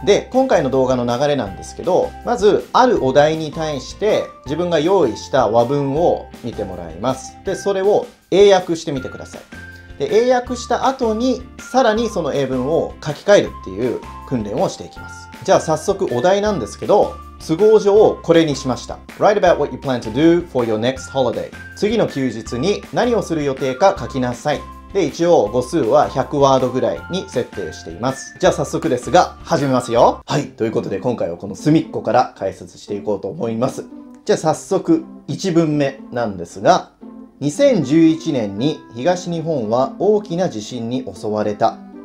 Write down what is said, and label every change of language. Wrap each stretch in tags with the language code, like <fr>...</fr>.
<ja>で、今回の動画の流れなんですけど、まずあるお題に対して自分が用意した和文を見てもらいます。で、それを英訳してみてください。で、英訳した後にさらにその英文を書き換えるっていう訓練をしていきます。じゃあ早速お題なんですけど、都合上これにしました。</ja> <en>Write about what you plan to do for your next holiday.</en> <ja>次の休日に何をする予定か書きなさい。で、一応語数は100ワードぐらいに設定しています。じゃあ早速ですが始めますよ。はい、ということで今回はこの隅っこから解説していこうと思います。じゃあ早速1文目なんですが、2011年に東日本は大きな地震に襲われた。</ja>